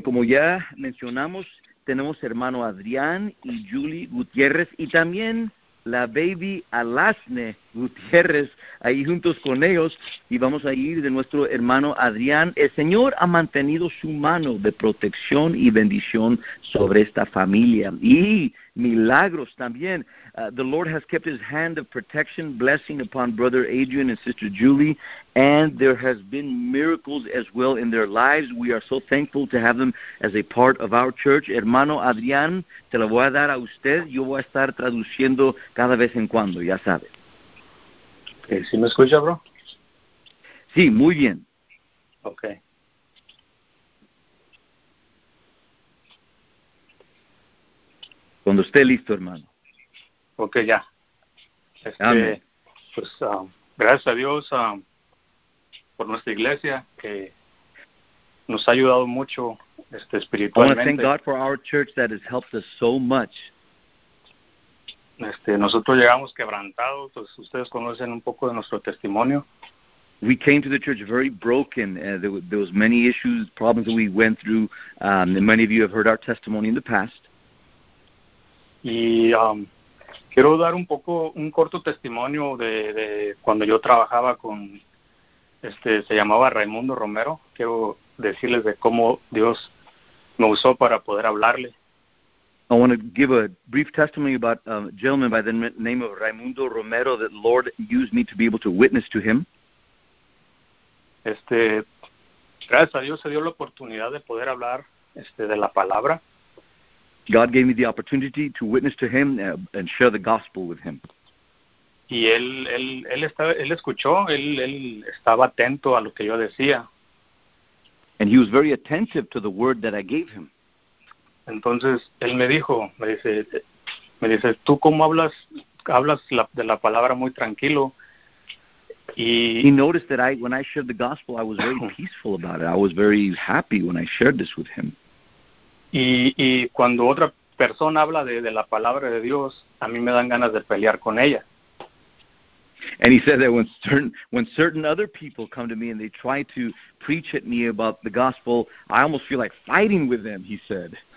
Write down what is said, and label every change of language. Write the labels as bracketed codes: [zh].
[es] Como ya mencionamos, tenemos hermano Adrián y Julie Gutiérrez y también la baby Alasne Gutiérrez ahí juntos con ellos. Y vamos a ir de nuestro hermano Adrián. El Señor ha mantenido su mano de protección y bendición sobre esta familia. Y milagros también. [en] The Lord has kept his hand of protection, blessing upon brother Adrian and sister Julie. And there has been miracles as well in their lives. We are so thankful to have them as a part of our church. [es] Hermano Adrián, te lo voy a dar a usted. Yo voy a estar traduciendo cada vez en cuando, ya sabe. Okay, ¿sí me escucha, bro? Sí, muy bien. Okay. Cuando esté listo, hermano. Ok, ya. Amén. Pues, gracias a Dios por nuestra iglesia, que nos ha ayudado mucho espiritualmente. [en] I want to thank God for our church that has helped us so much. [es] Nosotros llegamos quebrantados, pues ustedes conocen un poco de nuestro testimonio. [en] We came to the church very broken. There was many issues, problems that we went through. And many of you have heard our testimony in the past. [es] Y quiero dar un poco, un corto testimonio de cuando yo trabajaba con, se llamaba Raimundo Romero. Quiero decirles de cómo Dios me usó para poder hablarle. [en] I want to give a brief testimony about a gentleman by the name of Raimundo Romero that the Lord used me to be able to witness to him. [es] Gracias a Dios se dio la oportunidad de poder hablar de la palabra. [en] God gave me the opportunity to witness to him and share the gospel with him. [es] Y él escuchó, él estaba atento a lo que yo decía. [en] And he was very attentive to the word that I gave him. [es] Entonces él me dice, tú cómo hablas de la palabra muy tranquilo. Y [en] he noticed that when I shared the gospel, I was very peaceful about it. I was very happy when I shared this with him. [es] Y cuando otra persona habla de la palabra de Dios, a mí me dan ganas de pelear con ella. [en] And he said that when certain other people come to me and they try to preach at me about the gospel, I almost feel like fighting with them, he said.